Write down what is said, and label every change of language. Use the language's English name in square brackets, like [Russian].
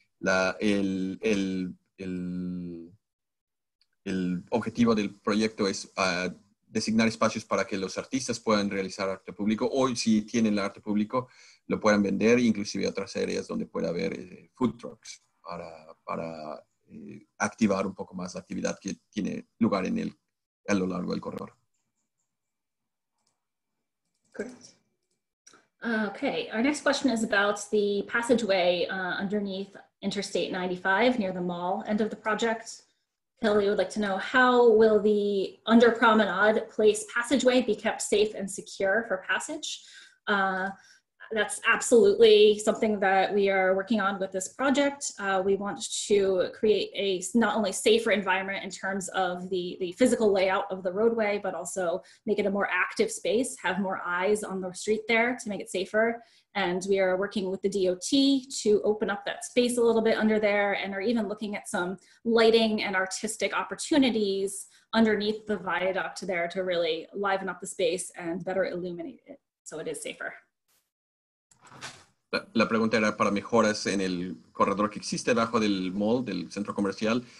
[Spanish] El objetivo del proyecto es designar espacios para que los artistas puedan realizar arte público o si tienen el arte público lo puedan vender, inclusive otras áreas donde pueda haber food trucks para activar un poco más la actividad que tiene lugar a lo largo del corredor. [English] Correct. Okay, our next question is about the passageway underneath Interstate 95 near the mall end of the project. Kelly would like to know, how will the under promenade place passageway be kept safe and secure for passage? That's absolutely something that we are working on with this project. We want to create a not only safer environment in terms of the physical layout of the roadway, but also make it a more active space, have more eyes on the street there to make it safer. And we are working with the DOT to open up that space a little bit under there, and are even looking at some lighting and artistic opportunities underneath the viaduct there to really liven up the space and better illuminate it so it is safer. [Spanish] La pregunta era para mejoras en el corredor que existe debajo del mall, del centro comercial.